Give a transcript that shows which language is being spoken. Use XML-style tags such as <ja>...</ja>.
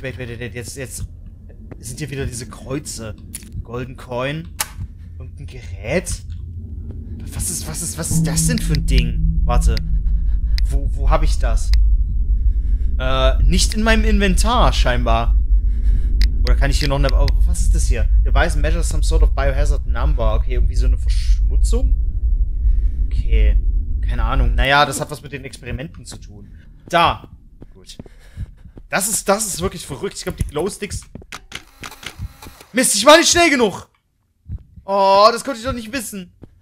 <de>Jetzt sind hier wieder diese Kreuze. Golden Coin. Und ein Gerät. Was ist das denn für ein Ding? Warte. Wo habe ich das? Nicht in meinem Inventar, scheinbar. Oder kann ich hier noch eine... Oh, was ist das hier?</de> <en>Device measures some sort of biohazard number.</en> <de>Okay, irgendwie so eine Verschmutzung? Okay. Keine Ahnung. Naja, das hat was mit den Experimenten zu tun. Da. Gut. Das ist wirklich verrückt. Ich glaube, die Glowsticks... Mist, ich war nicht schnell genug. Oh, das konnte ich doch nicht wissen.</de>